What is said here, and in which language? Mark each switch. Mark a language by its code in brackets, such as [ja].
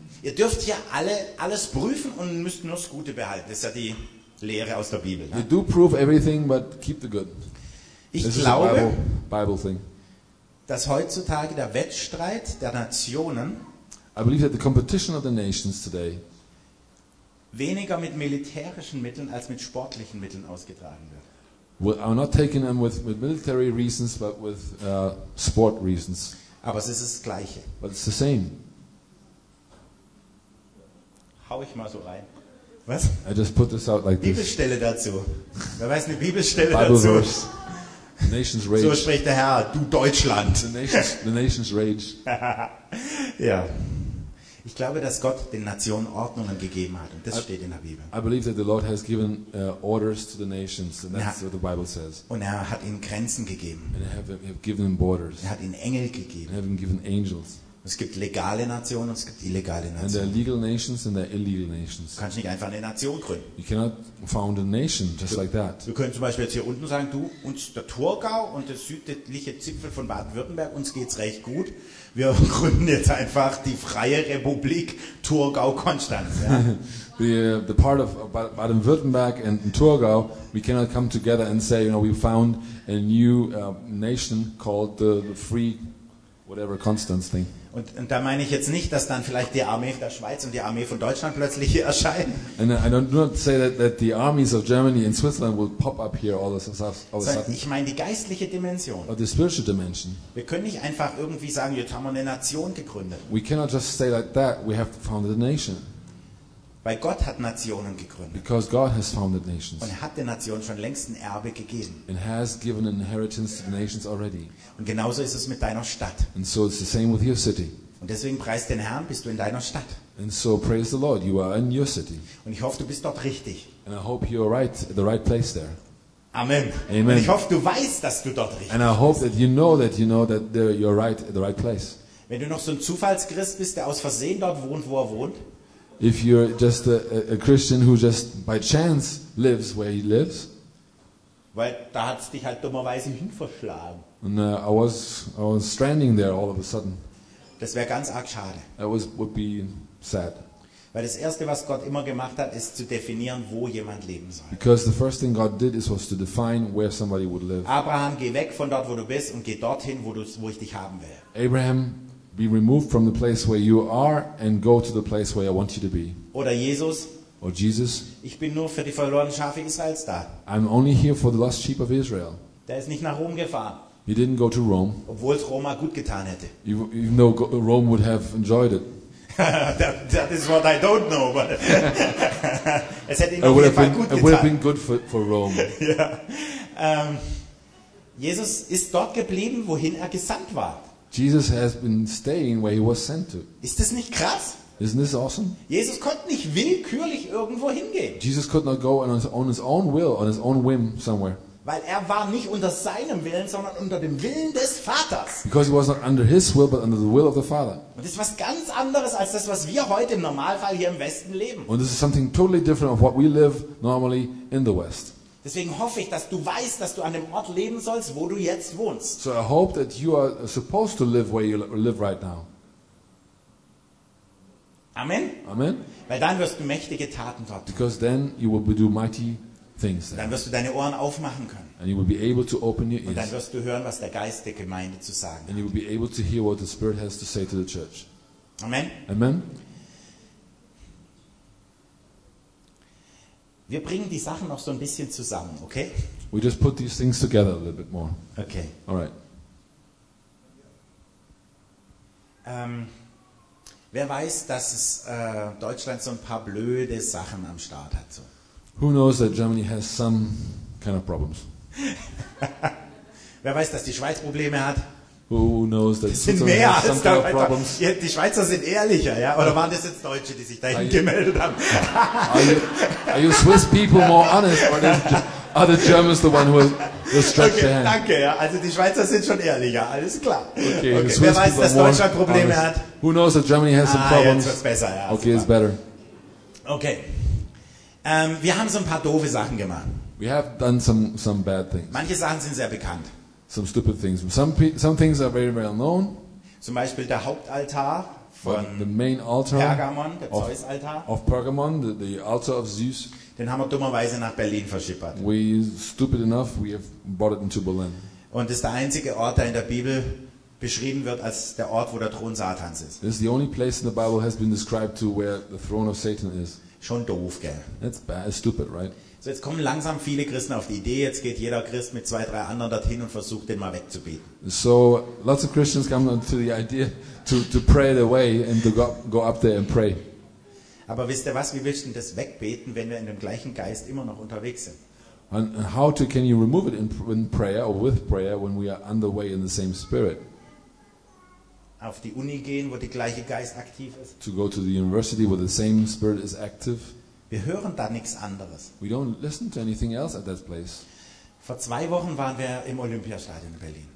[de] Ihr dürft hier alles prüfen und müsst nur das Gute behalten. Das ist ja die Lehre aus der Bibel. Ne? [en] You do prove everything, but keep the good. [de] Ich glaube, [en] Bible thing. [de] Dass heutzutage der Wettstreit der Nationen, [en] I believe that the competition of the nations today, [de] weniger mit militärischen Mitteln als mit sportlichen Mitteln ausgetragen wird. [en] I'm not taking them with military reasons, but with sport reasons. [de] Aber es ist das Gleiche. [en] But it's the same. [de] Hau ich mal so rein. Was? [en] I just put this out like [de] Bibelstelle [en] this. [de] Dazu. Wer weiß eine Bibelstelle Bible dazu? [en] Verse. Nations rage. [de] So spricht der Herr, du Deutschland. [en] The nations rage. [de] Ja. Ich glaube, dass Gott den Nationen Ordnungen gegeben hat, und das steht in der Bibel. [en] I believe that the Lord has given orders to the nations, and that's what the Bible says. [de] Und er hat ihnen Grenzen gegeben. [en] And have given them borders. [de] Er hat ihnen Engel gegeben. [en] And have given angels. [de] Es gibt legale Nationen und es gibt illegale Nationen. [en] And there are legal nations and there are illegal nations. [de] Du kannst nicht einfach eine Nation gründen. [en] You cannot found a nation just like that. [de] Wir können zum Beispiel jetzt hier unten sagen, du und der Thurgau und der südliche Zipfel von Baden-Württemberg, uns geht's recht gut. Wir gründen jetzt einfach die Freie Republik Thurgau-Konstanz. Ja. [en] the part of Baden-Württemberg and Thurgau, we cannot come together and say, you know, we found a new nation called the Free whatever Konstanz thing. [de] Und da meine ich jetzt nicht, dass dann vielleicht die Armee der Schweiz und die Armee von Deutschland plötzlich hier erscheinen. [en] And I do not say that the armies of Germany and Switzerland will pop up here all of a sudden. [de] Ich meine die geistliche Dimension. [en] Or the spiritual dimension. [de] Wir können nicht einfach irgendwie sagen, jetzt haben wir eine Nation gegründet. [en] We cannot just say like that, we have founded a nation. [de] Weil Gott hat Nationen gegründet. [en] Because God has founded nations. [de] Und er hat den Nationen schon längst ein Erbe gegeben. [en] And has given an inheritance to the nations already. [de] Und genauso ist es mit deiner Stadt. [en] And so it's the same with your city. [de] Und deswegen preist den Herrn, bist du in deiner Stadt. [en] And so praise the Lord, you are in your city. [de] Und ich hoffe, du bist dort richtig. [en] And I hope you are right, at the right place there. [de] Amen. [en] Amen. [de] Und ich hoffe, du weißt, dass du dort richtig bist. [en] And I hope that you know that you're right at the right place. [de] Wenn du noch so ein Zufallschrist bist, der aus Versehen dort wohnt, wo er wohnt. [en] If you're just a Christian who just by chance lives where he lives, [de] weil da hat's dich halt dummerweise hinverschlagen. [en] And I was stranding there all of a sudden. [de] Das wäre ganz arg schade. [en] Would be sad. [de] Weil das erste, was Gott immer gemacht hat, ist zu definieren, wo jemand leben soll. [en] Because the first thing God did was to define where somebody would live. [de] Abraham, geh weg von dort, wo du bist, und geh dorthin, wo ich dich haben will. [en] Abraham. Be removed from the place where you are and go to the place where I want you to be. [de] Oder Jesus. [en] Or Jesus. [de] Ich bin nur für die verlorenen Schafe Israels da. [en] I'm only here for the lost sheep of Israel. [de] Der ist nicht nach Rom gefahren. [en] He didn't go to Rome. [de] Obwohl es Roma gut getan hätte. [en] Even though Rome would have enjoyed it. that is what I don't know, but [de] es hätte ihn auf jeden Fall gut getan. [en] It would have been good for Rome. Yeah. [de] Jesus ist dort geblieben, wohin er gesandt war. [en] Jesus has been staying where he was sent to. [de] Ist das nicht krass? [en] Isn't this awesome? [de] Jesus konnte nicht willkürlich irgendwo hingehen. [en] Jesus could not go on his own will, on his own whim somewhere. [de] Weil er war nicht unter seinem Willen, sondern unter dem Willen des Vaters. [en] Because he was not under his will, but under the will of the Father. [de] Und das ist was ganz anderes als das, was wir heute im Normalfall hier im Westen leben. [en] And this is something totally different of what we live normally in the West. [de] Deswegen hoffe ich, dass du weißt, dass du an dem Ort leben sollst, wo du jetzt wohnst. [en] So I hope that you are supposed to live where you live right now. [de] Amen. [en] Amen. [de] Weil dann wirst du mächtige Taten dort tun. [en] Because then you will do mighty things. [de] Dann wirst du deine Ohren aufmachen können. [en] And you will be able to open your ears. [de] Und dann wirst du hören, was der Geist der Gemeinde zu sagen hat. [en] And you will be able to hear what the Spirit has to say to the church. [de] Amen. [en] Amen. [de] Wir bringen die Sachen noch so ein bisschen zusammen, okay? [en] We just put these things together a little bit more. [de] Okay. [en] All right. [de] Wer weiß, dass es Deutschland so ein paar blöde Sachen am Start hat so. [en] Who knows that Germany has some kind of problems? [de] Wer weiß, dass die Schweiz Probleme hat? [en] Who knows that [de] sind mehr [en] has some [de] als [en] kind of problems? [de] Ja, die Schweizer sind ehrlicher, ja? Oder waren das jetzt Deutsche, die sich dahin gemeldet haben? [en] Are you Swiss people more honest or are the Germans the one who stretched their hand? [de] Danke, ja. Also die Schweizer sind schon ehrlicher, alles klar. Okay, okay. Wer weiß, dass Deutschland Probleme hat? [en] Who knows that Germany has some problems? [de] Jetzt wird's besser, ja. [en] Okay, it's better. Okay. [de] Wir haben so ein paar doofe Sachen gemacht. [en] We have done some bad things. [de] Manche Sachen sind sehr bekannt. [en] Some stupid things. Some things are very well known. [de] Zum Beispiel der Hauptaltar von [en] the main altar [de] Pergamon, der Zeus-Altar. [en] Of Pergamon, the altar of Zeus. [de] Den haben wir dummerweise nach Berlin verschippert. [en] We stupid enough, we have brought it into Berlin. [de] Und ist der einzige Ort, der in der Bibel beschrieben wird als der Ort, wo der Thron Satans ist. [en] This is the only place in the Bible has been described to where the throne of Satan is. [de] Schon doof, gell? [en] That's bad, stupid, right? [de] So jetzt kommen langsam viele Christen auf die Idee, jetzt geht jeder Christ mit zwei, drei anderen dorthin und versucht, den mal wegzubeten. [en] So, lots of Christians come to the idea to pray it away and to go up there and pray. [de] Aber wisst ihr was, wie willst du denn das wegbeten, wenn wir in dem gleichen Geist immer noch unterwegs sind? [en] And how to, can you remove it in prayer or with prayer when we are on the way in the same spirit? [de] Auf die Uni gehen, wo der gleiche Geist aktiv ist? [en] To go to the university where the same spirit is active? [de] Wir hören da nichts anderes. [en] We don't listen to anything else at that place. [de] Vor zwei Wochen waren wir im Olympiastadion in Berlin.